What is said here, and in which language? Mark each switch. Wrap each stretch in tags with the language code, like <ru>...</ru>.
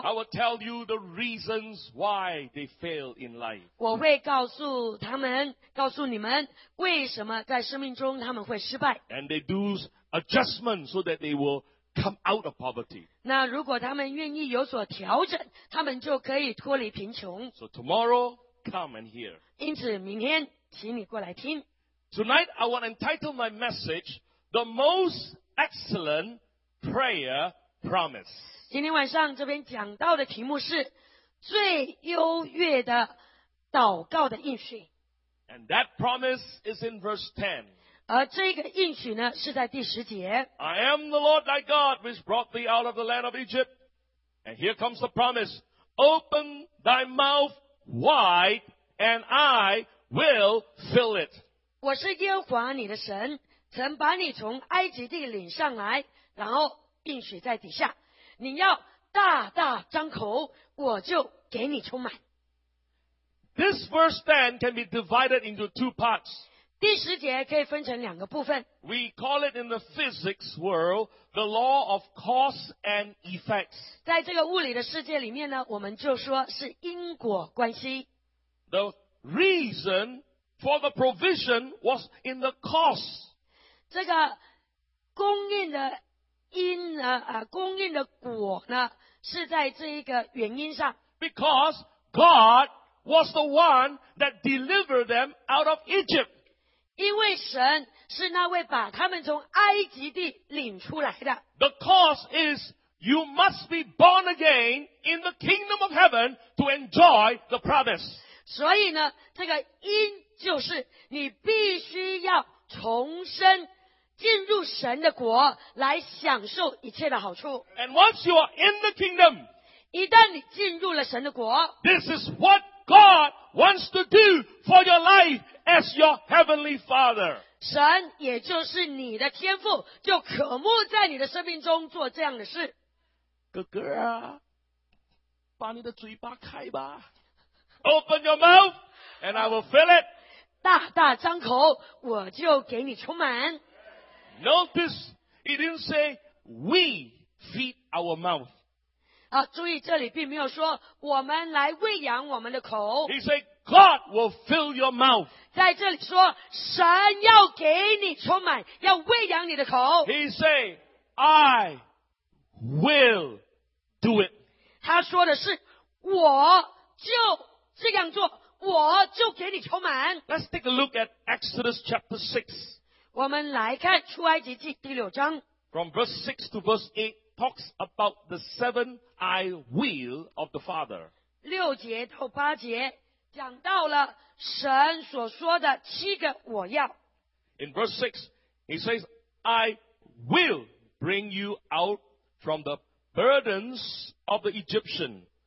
<en>I will tell you the reasons why they fail in life.</en> <zh>我会告诉他们，告诉你们，为什么在生命中他们会失败。</zh> <en>And they do adjustments so that they will come out of poverty.</en> <zh>那如果他们愿意有所调整，他们就可以脱离贫穷。</zh> <en>So tomorrow, come and hear.</en> <zh>因此明天，请你过来听。</zh> <en>Tonight, I want to entitle my message, The Most Excellent,Prayer promise.</en> <zh>今天晚上这边讲到的题目是最优越的祷告的应许。</zh> <en>And that promise is in verse 10.</en> <zh>而这个应许呢是在第十节。</zh> <en>I am the Lord thy God which brought thee out of the land of Egypt. And here comes the promise. Open thy mouth wide and I will fill it.</en> <zh>我是耶和华你的神，曾把你从埃及地领上来。然后应许在底下，你要大大张口，我就给你充满。</zh> <en>This verse 10 can be divided into two parts.</en> <zh>第十节可以分成两个部分。</zh> <en>We call it in the physics world the law of cause and effect.</en> <zh>在这个物理的世界里面呢，我们就说是因果关系。</zh> <en>The reason for the provision was in the cause.</en> <zh>这个供应的因呢供应的果呢是在这一个原因上。</zh> <en>Because God was the one that delivered them out of Egypt.</en> <zh>因为神是那位把他们从埃及地领出来的。</zh> <en>The cause is you must be born again in the kingdom of heaven to enjoy the promise.</en> <zh>所以呢这个因就是你必须要重生。进入神的国来享受一切的好处。</zh> <en>And once you are in the kingdom,</en> <zh>一旦你进入了神的国，</zh> <en>This is what God wants to do for your life as your heavenly father.</en> <zh>神也就是你的天父就渴慕在你的生命中做这样的事。哥哥啊，把你的嘴巴开吧。</zh> <en>Open your mouth, and I will fill it.</en> <zh>大大张口，我就给你充满。</zh> <en>Notice, he didn't say, we feed our mouth.</en> <zh>啊，注意这里并没有说，我们来喂养我们的口。</zh> <en>He said,God will fill your mouth.</en> <zh>在这里说，神要给你充满，要喂养你的口。</zh> <en>He say, I will do it.</en> <zh>他说的是，我就这样做，我就给你充满。</zh> <en>Let's take a look at Exodus chapter 6.</en> <zh>我们来看出埃及记第六章。</zh> <en>From verse 6 to verse 8 talks about the seven I will of the Father.</en> <zh>六节到八节。讲到了神所说的七个我要。</zh> <en>In verse 6, he says, I will bring you out from the burdens of the Egyptian.</en>